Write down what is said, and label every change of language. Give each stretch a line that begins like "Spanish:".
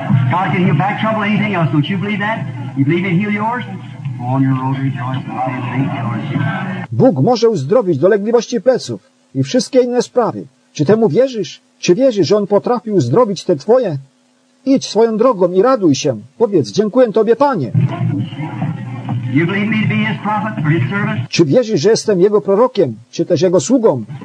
English: God can heal back trouble, anything else. Don't you believe that? You believe He'll heal yours? Go on your road, rejoice and thank God.
Polish: Bóg może uzdrowić dolegliwości pleców i wszystkie inne sprawy. Czy temu wierzysz? Czy wierzysz, że On potrafi uzdrowić te twoje? Idź swoją drogą i raduj się. Powiedz, dziękuję Tobie, Panie.
English: You believe me to be His prophet or His servant?
Polish: Czy wierzysz, że jestem Jego prorokiem, czy też Jego sługą?